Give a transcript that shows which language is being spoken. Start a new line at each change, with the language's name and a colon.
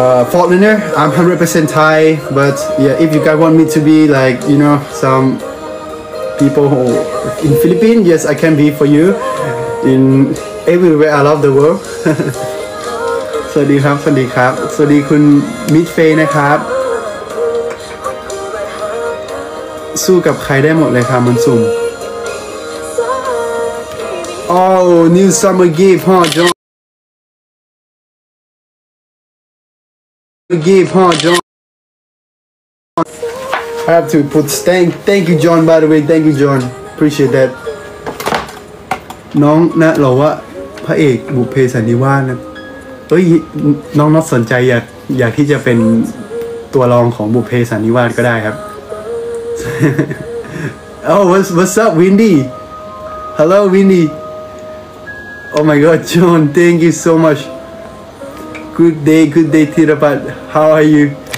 English: Foreigner, I'm 100% Thai, but yeah, if you guys want me to be like, you know, some people who, in Philippines, yes, I can be for you, in everywhere I love the world.
Thai: สวัสดีครับสวัสดีครับสวัสดีคุณมิดเฟย์นะครับสู้กับใครได้หมดเลยครับมันสุ่ม
English: Oh, new summer gift, huh, John? John. I have to put thank you John by the way thank you John appreciate that
Thai: น้องนะเราว่าพระเอกบุพเพสันนิวาสนะเอ้ยน้องน่าสนใจอยากที่จะเป็นตัวรองของบุพเพสันนิวาสก็ได้ครับ
English: Oh what's up Windy Hello Windy Oh my God John thank you so muchGood day, Thirapat. How are you?